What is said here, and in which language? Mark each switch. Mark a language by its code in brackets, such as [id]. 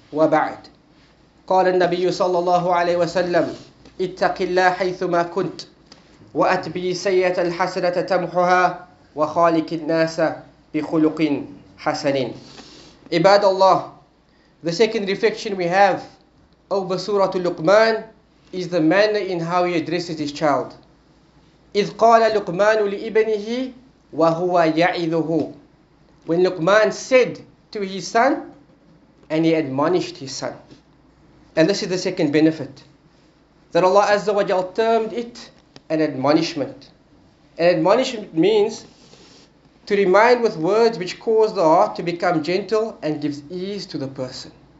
[ar] وبعد قال النبي صلى الله عليه وسلم اتق الله حيثما كنت وأتبي سيئة الحسنة تمحها وخالق الناس بخلق حسن. عباد الله, [en] the second reflection we have over Surah Luqman is the manner in how he addresses his child. [ar] إذ قال لقمان لابنه وهو يعظه. [en] When Luqman said to his son, and he admonished his son. And this is the second benefit, that Allah Azza wa Jal termed it an admonishment. An admonishment means to remind with words which cause the heart to become gentle and gives ease to the person.